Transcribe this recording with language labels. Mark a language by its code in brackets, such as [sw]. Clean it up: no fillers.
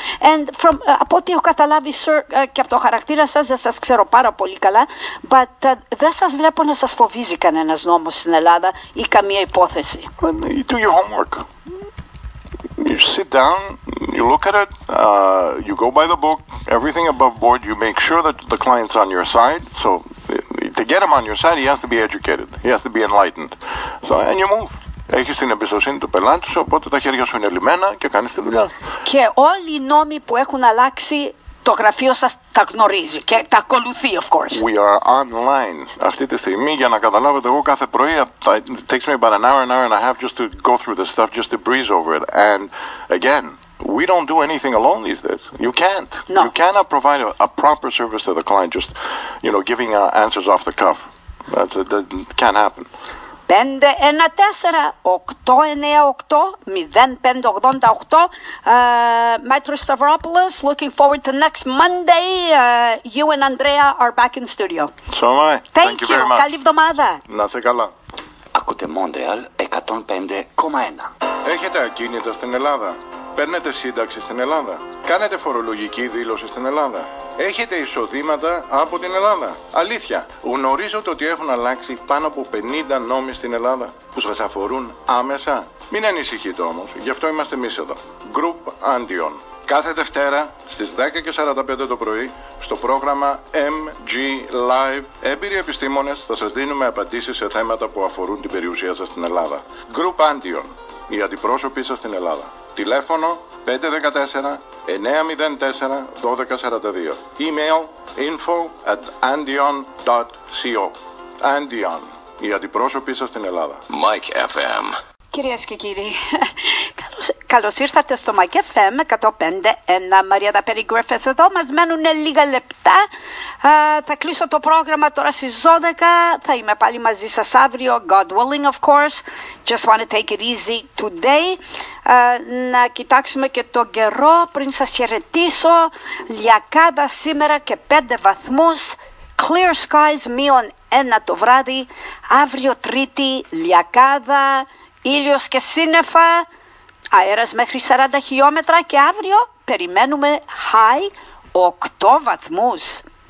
[el] And from, από ό,τι έχω καταλάβει, sir, και από το χαρακτήρα σας, δεν σας ξέρω πάρα πολύ καλά, but δεν σας βλέπω να σας φοβίζει κανένας νόμος στην Ελλάδα ή καμία υπόθεση. [en] Well, you do your homework. You sit down, you look at it, you go by the book, everything above board, you make sure that the client's on your side, so... To get him on your side, he has to be educated. He has to be enlightened. So, and you move. [el] Έχεις την εμπιστοσύνη του πελάτη σου, οπότε τα χέρια σου είναι λυμένα και κάνεις τη δουλειά σου. Και όλοι οι νόμοι που έχουν αλλάξει, το γραφείο σας τα γνωρίζει και τα ακολουθεί, of course. [en] We are online [el] αυτή τη στιγμή, για να καταλάβετε, εγώ κάθε πρωί, [en] it takes me about an hour and a half just to go through the stuff, just to breeze over it. And again, we don't do anything alone these days. You can't. No. You cannot provide a proper service to the client just, you know, giving answers off the cuff. That can't happen. 514-898-0588. Maître Stavropoulos, looking forward to next Monday. You and Andrea are back in studio. So am I. Thank you very much. [el] Καλή εβδομάδα. Να σε καλά. Ακούτε Montreal 105,1. Έχετε ακίνητα στην Ελλάδα. Παίρνετε σύνταξη στην Ελλάδα. Κάνετε φορολογική δήλωση στην Ελλάδα. Έχετε εισοδήματα από την Ελλάδα. Αλήθεια, γνωρίζετε ότι έχουν αλλάξει πάνω από 50 νόμοι στην Ελλάδα που σας αφορούν άμεσα? Μην ανησυχείτε όμως, γι' αυτό είμαστε εμείς εδώ. Group Antion. Κάθε Δευτέρα στις 10:45 το πρωί στο πρόγραμμα MG Live, έμπειροι επιστήμονες θα σας δίνουμε απαντήσεις σε θέματα που αφορούν την περιουσία σας στην Ελλάδα. Group Antion, οι αντιπρόσωποι σας στην Ελλάδα. Τηλέφωνο 514-904-1242. Email info@andion.co. Andion, οι αντιπρόσωποι σας στην Ελλάδα. [en] Mike FM. [el] Κυρίες και κύριοι, καλώς ήρθατε στο Mike FM 105.1. Μαρία Δαπέρι Γκρίφιθ εδώ. Μας μένουν λίγα λεπτά. Θα κλείσω το πρόγραμμα τώρα στις 12. Θα είμαι πάλι μαζί σας αύριο. [en] God willing, of course. Just want to take it easy today. [el] Να κοιτάξουμε και το καιρό πριν σας χαιρετήσω. Λιακάδα σήμερα και 5 βαθμούς. [en] Clear skies, [el] μείον 1 το βράδυ. Αύριο Τρίτη, λιακάδα. Ήλιος και σύννεφα, αέρας μέχρι 40 χιλιόμετρα και αύριο περιμένουμε high 8 βαθμούς.